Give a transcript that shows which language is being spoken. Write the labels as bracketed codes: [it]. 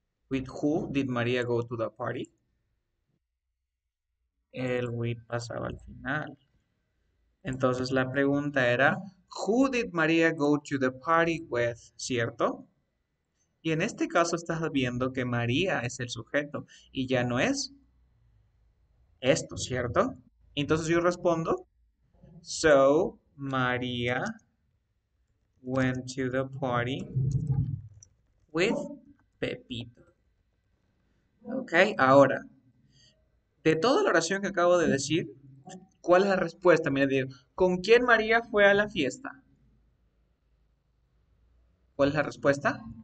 [en] With who did María go to the party? [es] El with pasaba al final. Entonces la pregunta era, who did María go to the party with? ¿Cierto? Y en este caso estás viendo que María es el sujeto y ya no es esto, ¿cierto? [en] Entonces yo respondo, so María went to the party with Pepito. [es] Ok, ahora, de toda la oración que acabo de decir, ¿Cuál es la respuesta? Mira, digo, ¿con quién María fue a la fiesta? ¿Cuál es la respuesta?